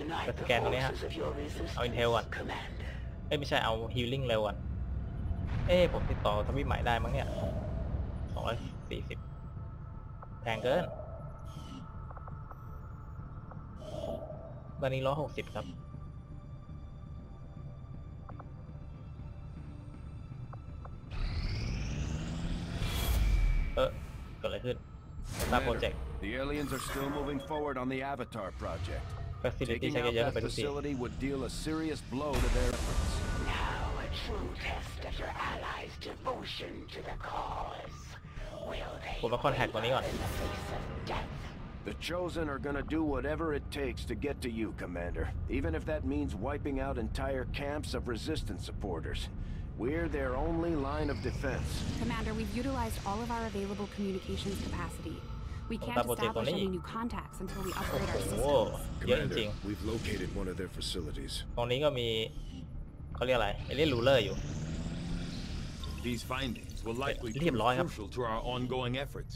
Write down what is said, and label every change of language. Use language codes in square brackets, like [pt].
[th] สแกนตรงนี้ฮะเอาอินเทลก่อนเอ้ยไม่ใช่เอาฮีลิ่งเร็วก่อนเอ้ยผมติดต่อทวีปใหม่ได้มั้งเนี่ย240แพงเกินตอนนี้160ครับเกิดอะไรขึ้นตามโปรเจกต์ [en] The aliens are still moving forward on the Avatar project. Taking out that facility would deal a serious blow to their efforts. Now a true test of your allies' devotion to the cause. Will they wake up in the face of death? The Chosen are gonna do whatever it takes to get to you, Commander. Even if that means wiping out entire camps of Resistance supporters. We're their only line of defense. Commander, we've utilized all of our available communications capacity. We can't establish any new contacts until we upgrade our systems. Commander, we've located one of their facilities. [th] ตรงนี้ก็มีเขาเรียกอะไรเอเลียนรูเลอร์อยู่ [en] These findings will likely be crucial to our ongoing efforts.